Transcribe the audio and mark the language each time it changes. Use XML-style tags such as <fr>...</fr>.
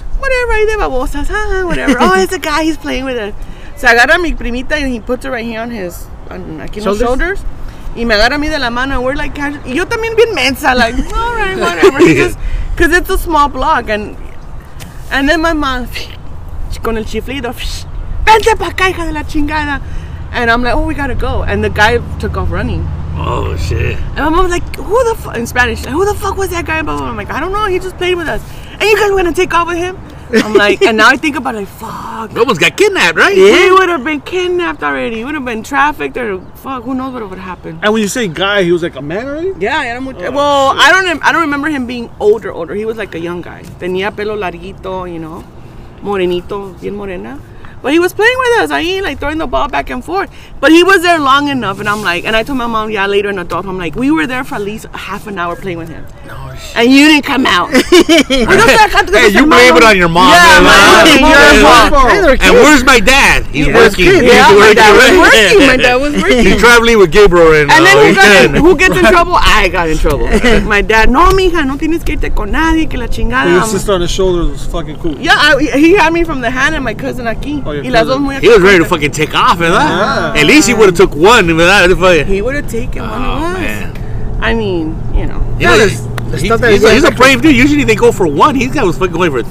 <en>Whatever.</en> <es>Ahí de babosas,</es> <en>huh? Whatever. Oh, it's a guy. He's playing with us.</en> <es>Se agarra mi primita</es> <en>and he puts it right here on his shoulders.</en> <es>Y me agarra mi de la mano.</es> <en>We're like,</en> <es>yo también bien mensa,</es> <en>like, all right, whatever. Because it's a small block, and then my mom.</en> <es>Con el chiflido, vente pa' acá, hija de la chingada.</es> <en>And I'm like, oh, we gotta go. And the guy took off running. Oh, shit. And my mom's like, who the fuck, in Spanish, like, who the fuck was that guy? And I'm like, I don't know, he just played with us. And you guys were gonna take off with him? I'm like, and now I think about it, like, fuck. No one's got kidnapped, right? He would have been kidnapped already. He would have been trafficked or fuck, who knows what would have happened. And when you say guy, he was like a man, right? Yeah, and I'm like, well, shit. I don't remember him being older. He was like a young guy.</en> <es>Tenía pelo larguito,</es> <en>you know.</en> <es>Morenito, bien morena.</es> <en>But he was playing with us, ahí, like throwing the ball back and forth. But he was there long enough, and I'm like, and I told my mom, yeah, later in adult, I'm like, we were there for at least half an hour playing with him. No shit. And you didn't come out. Hey, you blame it on your mom. Yeah, mom. And where's my dad? He's working. My dad was working. He's traveling with Gabriel. And then who gets in trouble? I got in trouble. My dad,</en> <es>no, mija, no tienes que irte con nadie, que la chingada.</es> <en>Your sister on his shoulders was fucking cool. Yeah, he had me from the hand, and my cousin aquí. Oh, yeah, he was ready to fucking take off, and at least he would have took one. He would have taken one. Oh, man. I mean, you know. He's a brave dude. Usually they go for one. He's got was fucking going for two.</en>